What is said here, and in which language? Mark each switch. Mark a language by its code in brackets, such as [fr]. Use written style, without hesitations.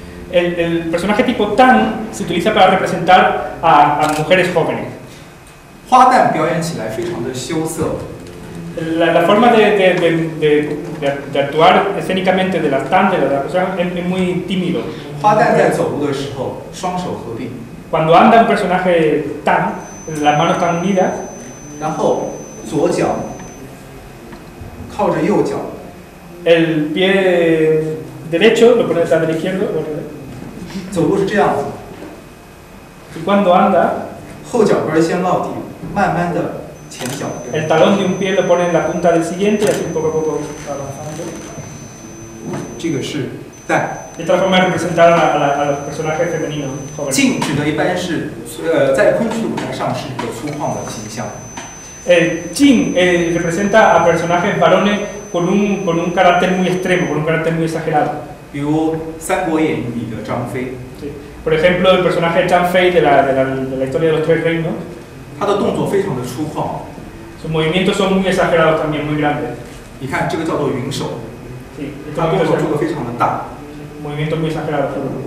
[es] El personaje tipo Tan se utiliza para representar a mujeres jóvenes. [zh] 花旦表演起来非常的羞涩。 [es] La forma de actuar escénicamente de la Tan, de la persona, es muy tímido. [zh] 花旦在走路的时候，双手合并。 [es] Cuando anda un personaje Tan, las manos están unidas. [zh] 然后左脚 靠着右脚, [es] el pie derecho lo pone detrás del izquierdo. [zh] 走路是这样子, [es] y cuando anda, [zh] 后脚跟先落地, 慢慢的, 前脚, [es] el talón de un pie lo pone en la punta del siguiente y así poco a poco avanzando. [zh] 这个是带, [es] esta es la forma de representar a los personajes femeninos jóvenes. [zh] 静指的一般是, 在昆曲舞台上是一个粗犷的形象。 [es] Jin representa a personajes varones con un carácter muy extremo, con un carácter muy exagerado. [zh] 比如三国演义里的张飞, [es] por ejemplo, el personaje Zhang Fei de la historia de los tres reinos. [zh] 他的动作非常的粗犷, [es] sus movimientos son muy exagerados también, muy grandes. [zh] 你看这个叫做云手, [es] sí, [zh] 他动作做得非常的大, [es] movimientos muy exagerados.